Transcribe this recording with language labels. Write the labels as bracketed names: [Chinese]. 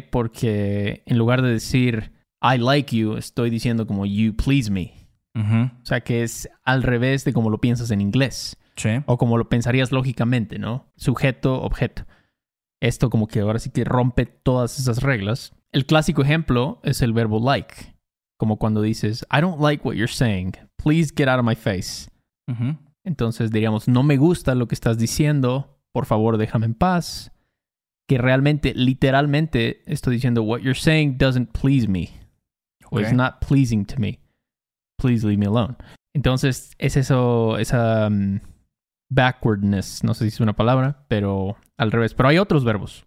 [Spanish] Porque en lugar de decir [English] I like you, [Spanish] estoy diciendo como [English] you please me. Uh-huh. [Spanish] O sea que es al revés de como lo piensas en inglés. Sí. O como lo pensarías lógicamente, ¿no? Sujeto, objeto. Esto como que ahora sí que rompe todas esas reglas. El clásico ejemplo es el verbo like. Como cuando dices, [English] I don't like what you're saying. Please get out of my face. Uh-huh. [Spanish] Entonces diríamos, no me gusta lo que estás diciendo. Por favor, déjame en paz. Que realmente, literalmente, estoy diciendo, [English] what you're saying doesn't please me. Okay. Or is not pleasing to me. Please leave me alone. [Spanish] Entonces, es eso, esa backwardness, no sé si es una palabra, pero al revés. Pero hay otros verbos.